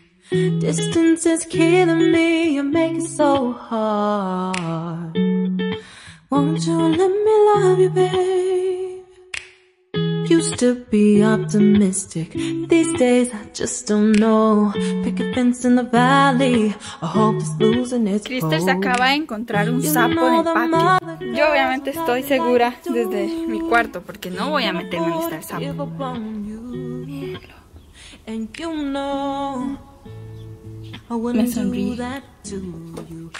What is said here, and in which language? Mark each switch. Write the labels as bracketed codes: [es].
[en] Distance is killing me, you make it so hard. Won't you let me love you, babe? Used to be optimistic, these days I just don't know. Pick a fence in the valley, I hope it's losing its cold. [es] Crystal se acaba de encontrar un sapo en el patio. Yo obviamente estoy segura desde mi cuarto porque no voy a meterme en el sapo. [en] And you know I wouldn't do that to you.